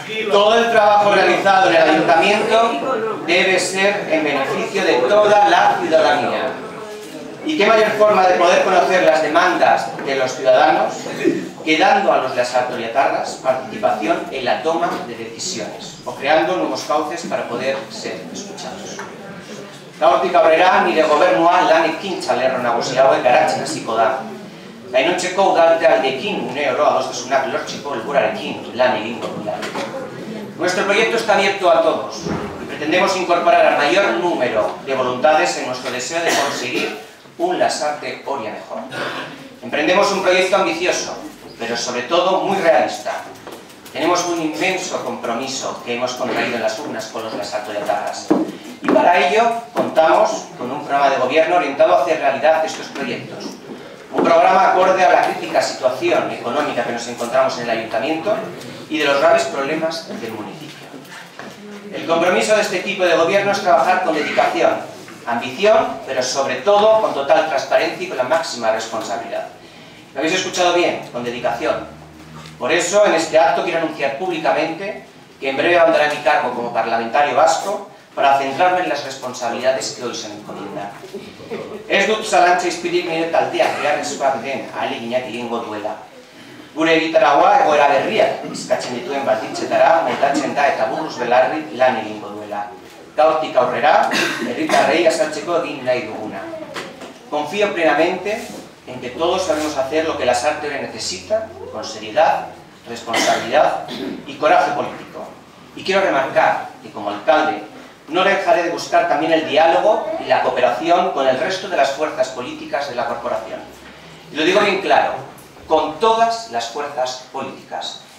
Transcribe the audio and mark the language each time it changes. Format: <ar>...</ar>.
<es>Todo el trabajo realizado en el ayuntamiento debe ser en beneficio de toda la ciudadanía. ¿Y qué mayor forma de poder conocer las demandas de los ciudadanos que dando a los lasarte-oriatarras participación en la toma de decisiones o creando nuevos cauces para poder ser escuchados?</es> <eu>Gaurtik aurrera, nire gobernua lan ekintza lerro nagusia hauek garatzen hasiko da. Gainontzeko udalaldeekin une oro adostasunak lortzeko helburuarekin lan egingo dugu.</eu> <es>Nuestro proyecto está abierto a todos y pretendemos incorporar al mayor número de voluntades en nuestro deseo de conseguir un Lasarte-Oria mejor. Emprendemos un proyecto ambicioso, pero sobre todo muy realista. Tenemos un inmenso compromiso que hemos contraído en las urnas con los lasarte-oriatarras. Y para ello contamos con un programa de gobierno orientado a hacer realidad estos proyectos. Un programa acorde a la crítica situación económica que nos encontramos en el ayuntamiento y de los graves problemas del municipio. El compromiso de este equipo de gobierno es trabajar con dedicación, ambición, pero sobre todo con total transparencia y con la máxima responsabilidad. ¿Lo habéis escuchado bien? Con dedicación. Por eso, en este acto quiero anunciar públicamente que en breve abandonaré mi cargo como parlamentario vasco para centrarme en las responsabilidades que hoy se me encomiendan.</es> <eu>Ez dut zalantza izpirik nire taldea beharrezkoak den ahaleginak egingo duela. Gure egitaragua egoera berriak izkatzen dituen baldintzetara moldatzen da eta buruz belarri lan egingo duela. Gaurtik aurrera, herritarrei azaltzeko egin nahi duguna.</eu> <es>Confío plenamente en que todos sabemos hacer lo que Lasarte-Oria necesita con seriedad, responsabilidad y coraje político. Y quiero remarcar que como alcalde no dejaré de buscar también el diálogo y la cooperación con el resto de las fuerzas políticas de la corporación. Y lo digo bien claro, con todas las fuerzas políticas.</es>